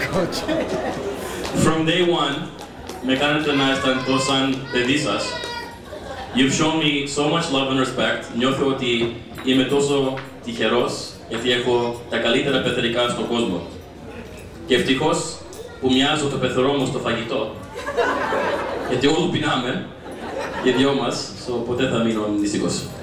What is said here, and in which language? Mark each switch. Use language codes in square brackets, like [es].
[en] From day one, [el] με κάνετε να αισθανθώ σαν παιδί σας. [en] You've shown me so much love and respect. [el] Νιώθω ότι είμαι τόσο τυχερός γιατί έχω τα καλύτερα πεθερικά στον κόσμο. Και ευτυχώς που μοιάζω το πεθερό μου στο φαγητό. Γιατί όλοι πεινάμε, οι δυο μας, so ποτέ θα μείνω ανησυχός.